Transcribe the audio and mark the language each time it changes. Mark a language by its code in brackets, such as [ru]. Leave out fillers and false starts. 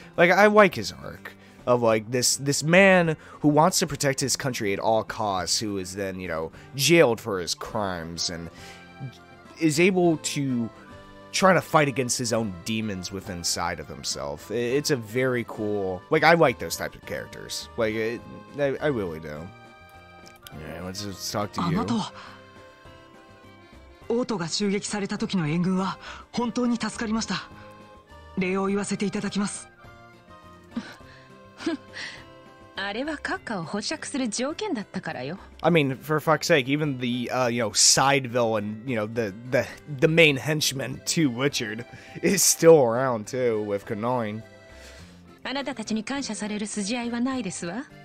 [en] Like, I like his arc of, like, this man who wants to protect his country at all costs, who is then, you know, jailed for his crimes and is able to try to fight against his own demons with inside of himself. It's a very cool, like, I like those types of characters. Like, I really do. Yeah, let's just talk to you. [ja] あなたは、王都が襲撃された時の援軍は本当に助かりました。礼を言わせていただきます。あれは閣下を保釈する条件だったからよ。 [en] I mean, for fuck's sake, even the, you know, side villain, you know, the main henchman to Richard is still around too with Kanoin. [ja] あなたたちに感謝される筋合いはないですわ。